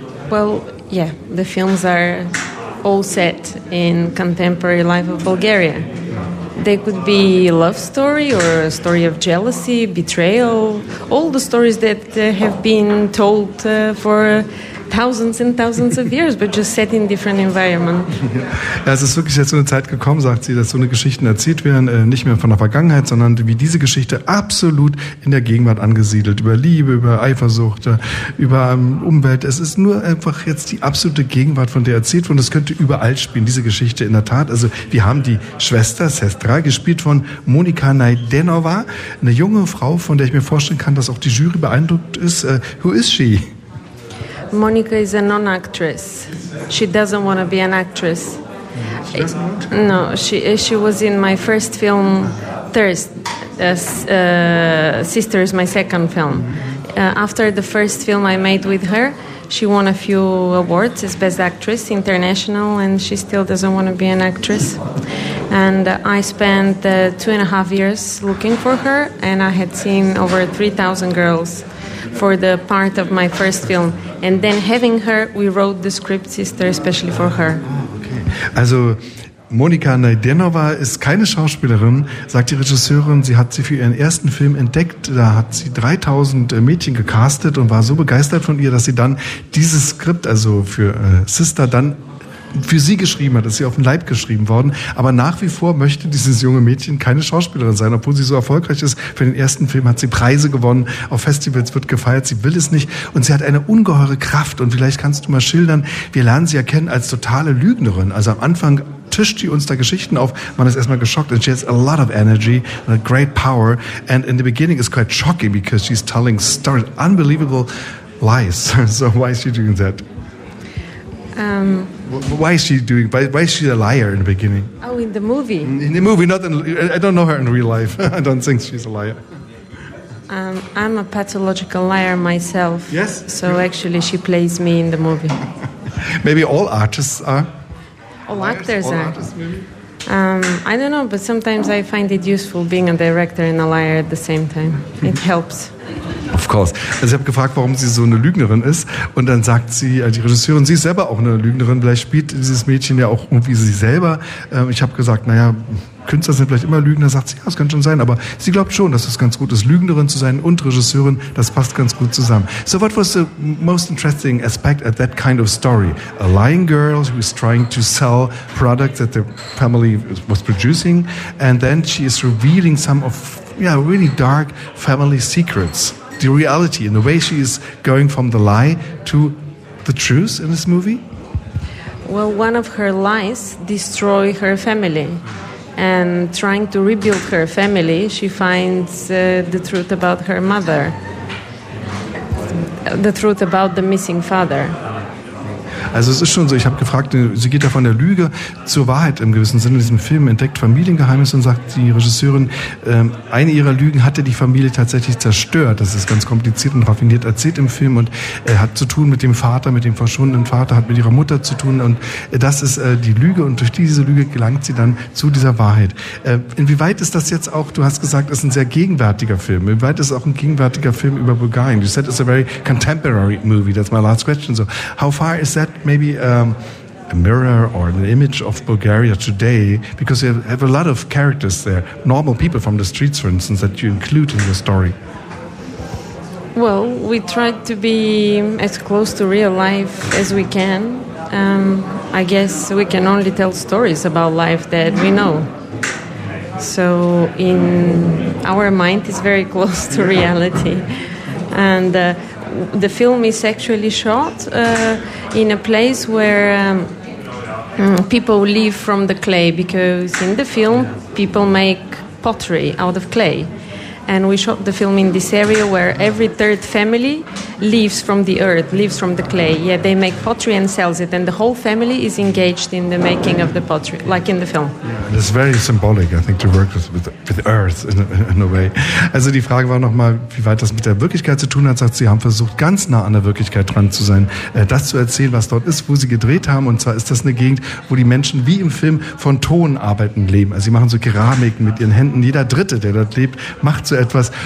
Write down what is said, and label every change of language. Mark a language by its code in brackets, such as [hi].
[en] Well, yeah, the films are all set in contemporary life of Bulgaria. They could be love story or a story of jealousy, betrayal, all the stories that have been told for thousands and thousands of years, but just set in different environment. [de] Ja, es ist wirklich jetzt so eine Zeit gekommen, sagt sie, dass so eine Geschichten erzählt werden, nicht mehr von der Vergangenheit, sondern wie diese Geschichte absolut in der Gegenwart angesiedelt, über Liebe, über Eifersucht, über Umwelt. Es ist nur einfach jetzt die absolute Gegenwart, von der erzählt wird. Das könnte überall spielen, diese Geschichte in der Tat. Also wir haben die Schwester, Sestra, gespielt von Monika Najdenova, eine junge Frau, von der ich mir vorstellen kann, dass auch die Jury beeindruckt ist. [en] Who is she? Monika is a non-actress. She doesn't want to be an actress. No, she was in my first film, Thirst. Sister is my second film. After the first film I made with her, she won a few awards as Best Actress International, and she still doesn't want to be an actress. And I spent 2.5 years looking for her, and I had seen over 3,000 girls for the part of my first film. And then having her, we wrote the script, Sister, especially for her. Okay. [de] Also, Monika Najdenova ist keine Schauspielerin, sagt die Regisseurin. Sie hat sie für ihren ersten Film entdeckt. Da hat sie 3000 Mädchen gecastet und war so begeistert von ihr, dass sie dann dieses Skript, also für Sister, dann für sie geschrieben hat. Das ist ihr auf den Leib geschrieben worden. Aber nach wie vor möchte dieses junge Mädchen keine Schauspielerin sein, obwohl sie so erfolgreich ist. Für den ersten Film hat sie Preise gewonnen. Auf Festivals wird gefeiert. Sie will es nicht. Und sie hat eine ungeheure Kraft. Und vielleicht kannst du mal schildern, wir lernen sie ja kennen als totale Lügnerin. Also am Anfang tischt die uns da Geschichten auf. Man ist erstmal geschockt. [en] And she has a lot of energy and a great power. And in the beginning it's quite shocking because she's telling stories, unbelievable lies. So why is she doing that? Why is she doing? Why is she a liar in the beginning? Oh, in the movie. In the movie, not in. I don't know her in real life. I don't think she's a liar. I'm a pathological liar myself. Yes. So actually, she plays me in the movie. Maybe all artists are. All liars? Actors all are. Artists, maybe? I don't know, but sometimes I find it useful being a director and a liar at the same time. It helps. Of course. [de] Also ich habe gefragt, warum sie so eine Lügnerin ist. Und dann sagt sie, die Regisseurin, sie ist selber auch eine Lügnerin. Vielleicht spielt dieses Mädchen ja auch irgendwie sie selber. Ich habe gesagt, naja, Künstler sind vielleicht immer Lügner. Sagt sie, ja, das kann schon sein. Aber sie glaubt schon, dass es ganz gut ist, Lügnerin zu sein und Regisseurin. Das passt ganz gut zusammen. [en] So what was the most interesting aspect at that kind of story? A lying girl who is trying to sell products that the family was producing. And then she is revealing some of, yeah, really dark family secrets. The reality and the way she is going from the lie to the truth in this movie? Well, one of her lies destroy her family. And trying to rebuild her family, she finds the truth about her mother. The truth about the missing father. [de] Also es ist schon so, ich habe gefragt, sie geht da von der Lüge zur Wahrheit im gewissen Sinne in diesem Film, entdeckt Familiengeheimnisse und sagt die Regisseurin, eine ihrer Lügen hatte die Familie tatsächlich zerstört. Das ist ganz kompliziert und raffiniert erzählt im Film und hat zu tun mit dem Vater, mit dem verschwundenen Vater, hat mit ihrer Mutter zu tun und das ist die Lüge und durch diese Lüge gelangt sie dann zu dieser Wahrheit. Inwieweit ist das jetzt auch, du hast gesagt, es ist ein sehr gegenwärtiger Film, inwieweit ist es auch ein gegenwärtiger Film über Bulgarien? [en] You said it's a very contemporary movie, that's my last question. So how far is that maybe a mirror or an image of Bulgaria today, because you have a lot of characters there, normal people from the streets, for instance, that you include in your story. Well, we try to be as close to real life as we can. I guess we can only tell stories about life that we know. So in our mind, it's very close to reality. And the film is actually shot in a place where people live from the clay, because in the film people make pottery out of clay, and we shot the film in this area where every third family lives from the earth, lives from the clay. Yeah, they make pottery and sells it, and the whole family is engaged in the making of the pottery, like in the film. Yeah, it's very symbolic, I think, to work with earth in a way. [de] Also die Frage war nochmal, wie weit das mit der Wirklichkeit zu tun hat. Sagt, sie haben versucht, ganz nah an der Wirklichkeit dran zu sein, das zu erzählen, was dort ist, wo sie gedreht haben. Und zwar ist das eine Gegend, wo die Menschen wie im Film von Ton arbeiten leben. Also sie machen so Keramik mit ihren Händen. Jeder Dritte, der dort lebt, macht so etwas.